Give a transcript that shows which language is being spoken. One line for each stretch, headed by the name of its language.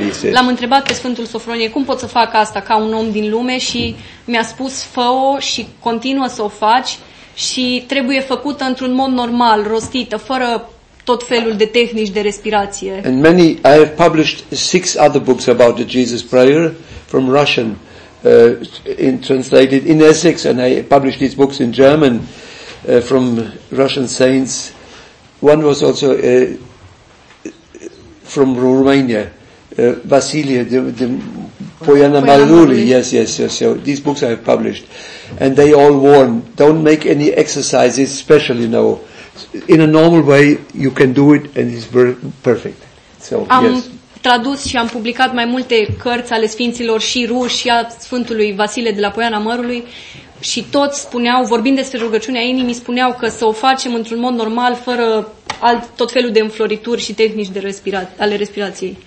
Romanian: L-am întrebat pe Sfântul Sofronie cum pot să fac asta ca un om din lume și mi-a spus fă-o și continuă să o faci și trebuie făcută într-un mod normal, rostită, fără tot felul de tehnici de respirație.
English: And many, I have published 6 other books about the Jesus prayer from Russian, translated in Essex, and I published these books in German from Russian saints. One was also from Romania, Vasilia, the Poiana Maluli. Yes. So these books I have published. And they all warn, don't make any exercises special, you know. In a normal way, you can do it and it's perfect. So, am yes.
Romanian: Tradus și am publicat mai multe cărți ale Sfinților și ruși și a Sfântului Vasile de la Poiana Mărului și toți spuneau, vorbind despre rugăciunea inimii, spuneau că să o facem într-un mod normal, fără tot felul de înflorituri și tehnici de ale respirației.